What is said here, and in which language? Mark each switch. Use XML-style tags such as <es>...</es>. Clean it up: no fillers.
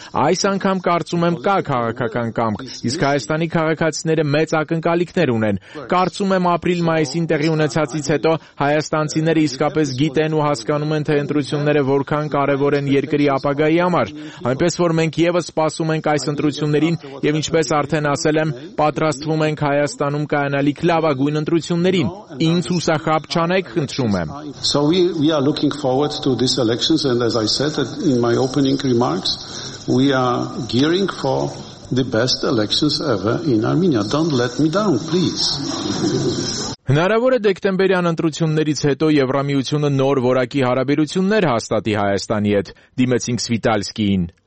<hy>Այս անգամ կարծում եմ կա քաղաքական կամք, իսկ Հայաստանի քաղաքացիները մեծ ակնկալիքներ ունեն։ Կարծում եմ ապրիլ-մայիսին տեղի ունեցածից հետո հայաստանցիները իսկապես գիտեն ու հասկանում են, թե ընտրությունները որքան կարևոր են երկրի ապագայի համար։ Այնպես որ մենք եւս սպասում ենք այս ընտրություններին եւ ինչպես արդեն ասել եմ, պատրաստվում ենք Հայաստանում կայանալիք լավագույն ընտրություններին։ Ինձ հուսախաբ չանեք, խնդրում եմ։</hy> <en>So we are looking forward to these elections, and as I said in my opening remarks, we are gearing for the best elections ever in Armenia. Don't let me down, please.</en> <hy>Հնարավոր է դեկտեմբերյան ընտրություններից հետո Եվրամիությունը նոր որակի հարաբերություններ հաստատի Հայաստանի հետ, դիմեցինք Սվիտալսկիին.</hy>